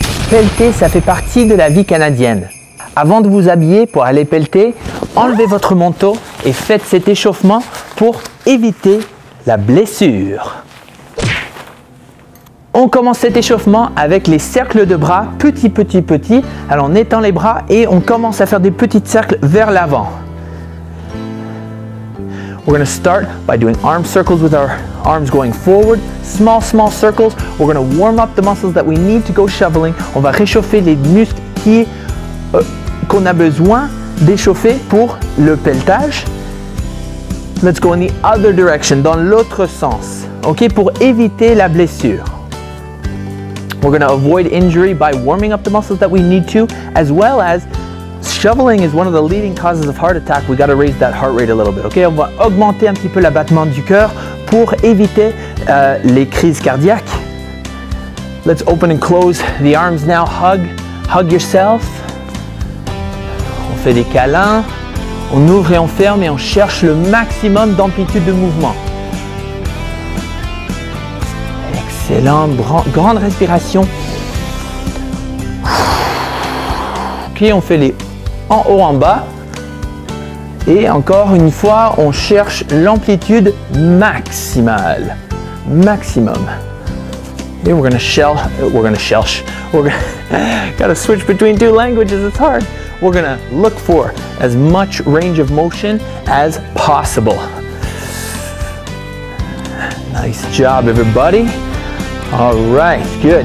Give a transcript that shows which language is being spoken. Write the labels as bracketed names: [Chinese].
[French] Pelleter, ça fait partie de la vie canadienne. Avant de vous habiller pour aller pelleter, enlevez votre manteau et faites cet échauffement pour éviter la blessure. On commence cet échauffement avec les cercles de bras, petit, petit, petit. Alors on étend les bras et on commence à faire des petits cercles vers l'avant. [English] We're going to start by doing arm circles with our arms going forward. Small, small circles. We're going to warm up the muscles that we need to go shoveling. [French] On va réchauffer les muscles qu'on a besoin d'échauffer pour le pelletage. [English] Let's go in the other direction, [French] dans l'autre sens. OK, pour éviter la blessure. [English] We're going to avoid injury by warming up the muscles that we need to, as well as shoveling is one of the leading causes of heart attack. We got to raise that heart rate a little bit. [French] OK, on va augmenter un petit peu l'abattement du cœur pour éviter les crises cardiaques. [English] Let's open and close the arms now. Hug yourself. [French] On fait des câlins. On ouvre et on ferme et on cherche le maximum d'amplitude de mouvement. Excellent, grande respiration. OK, on fait les en haut, en bas. Et encore une fois, on cherche l'amplitude maximale. [English] Maximum. Here we're gonna shell, we're gonna shelch. We're gonna, gotta switch between two languages, it's hard. We're gonna look for as much range of motion as possible. Nice job, everybody. All right, good.